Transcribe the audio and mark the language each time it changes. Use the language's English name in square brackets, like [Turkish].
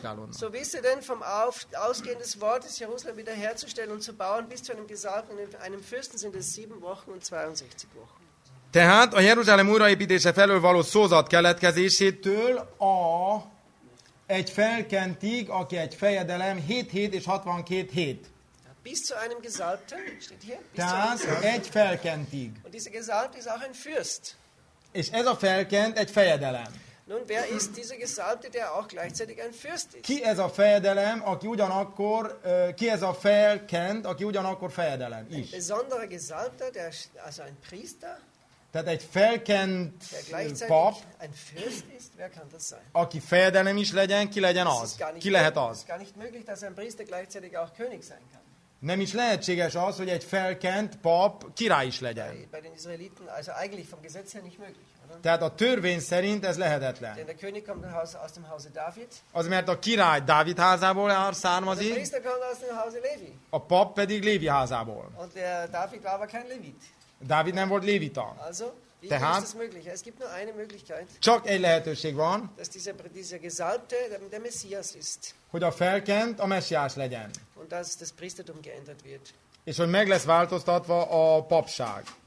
[German] So wisst ihr denn vom Ausgehen des Wortes, Jerusalem wiederherzustellen und zu bauen, bis zu einem Gesalbten, einem Fürsten, sind es 7 Wochen und 62 Wochen. [Hungarian] Tehát a Jeruzsálem újraépítése felől való szózat keletkezésétől a egy felkentig, aki egy fejedelem, 7 hét és 62 hét. [German] Bis zu einem Gesalbten, steht hier. [Hungarian] Tehát egy felkentig. [German] Und dieser Gesalbte ist auch ein Fürst. [Hungarian] És ez a felkent egy fejedelem. [German] Nun, wer ist dieser Gesalbte, der auch gleichzeitig ein Fürst ist? [Hungarian] Ki ez a fejedelem, aki ugyanakkor, ki ez a felkent, aki ugyanakkor fejedelem is? [German] Ein besonderer Gesalbter, der, also ein Priester. [Hungarian] Tehát egy felkent pap, [German] ein Fürst ist, wer kann das sein? [Hungarian] Aki fejedelem is legyen, ki legyen az? Ki lehet az? [German] Gar nicht möglich, dass ein Priester gleichzeitig auch König sein kann. [Hungarian] Nem is lehetséges az, hogy egy felkent pap király is legyen. [German] Bei den Israeliten, also eigentlich vom Gesetz her nicht möglich. [Hungarian] Tehát a törvény szerint ez lehetetlen. [German] Denn der König kommt aus dem Hause David. [Hungarian] Az, mert a király Dávid házából származik. [German] Der Priester kommt aus dem Hause Levi. [Hungarian] A pap pedig Lévi házából. [German] Und der David war aber kein Levit. [Hungarian] Dávid nem volt lévita. [German] Also, wie tehát, ist es möglich? Es gibt nur eine Möglichkeit. [Hungarian] Csak egy lehetőség van. [German] Dass dieser Gesalbte der Messias ist. [Hungarian] Hogy a felkent a messiás legyen. [German] Und dass das Priestertum geändert wird. [Hungarian] És hogy meg lesz változtatva a papság.